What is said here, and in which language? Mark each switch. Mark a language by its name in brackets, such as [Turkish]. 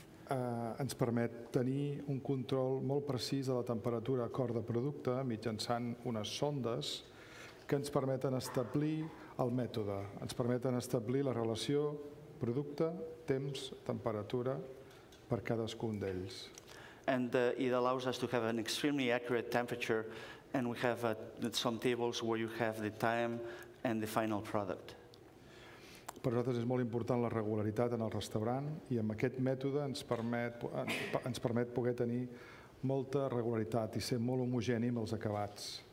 [Catalan] Ens permet tenir un control molt precís de la temperatura a cor de producte mitjançant unes sondes que ens permeten establir el mètode. Ens permeten establir la relació producte, temps, temperatura per cadascun d'ells. [English] And it allows us to have an extremely accurate temperature, and we have some tables where you have the time and the final product. [Catalan] Per nosaltres és molt important la regularitat en el restaurant, i amb aquest mètode ens permet poder tenir molta regularitat i ser molt homogeni amb els acabats.